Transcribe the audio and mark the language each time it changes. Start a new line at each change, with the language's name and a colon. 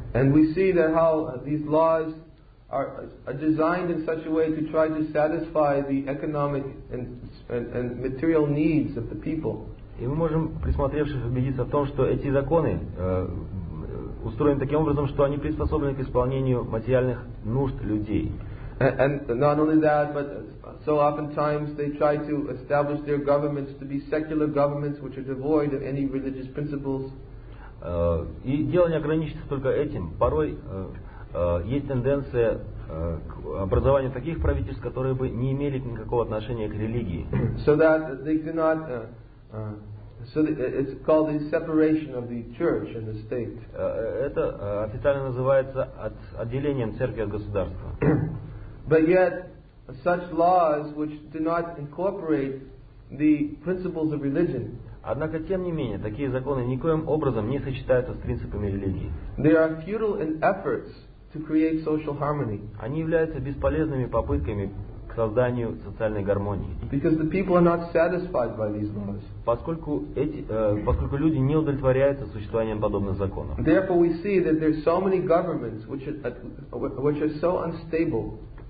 English: And we see that how these laws are designed in such a way to try to satisfy the economic and material needs of the people.
Russian: И мы можем, присмотревшись, убедиться в том, что эти законы устроены таким образом, что они приспособлены к исполнению материальных нужд людей.
English: And not only that, but so oftentimes they try to establish their governments to be secular governments, which are devoid of any religious principles.
Russian: И дело не ограничивается только этим. Порой есть тенденция к образованию таких правительств, которые бы не имели никакого отношения к религии.
English: So that they do not. So it's called the separation of the church and the state.
Russian: Это официально называется отделением церкви от государства.
English: But yet, such laws which do not incorporate the principles of religion.
Russian: Однако тем не менее такие законы никоим образом не сочетаются с принципами религии.
English: They are futile in efforts to create social harmony.
Russian: Они являются бесполезными попытками к созданию социальной гармонии.
English: Because the people are not satisfied by these laws.
Russian: Поскольку люди не удовлетворяются существованием подобных законов.
English: Therefore, we see that there are so many governments which are so unstable.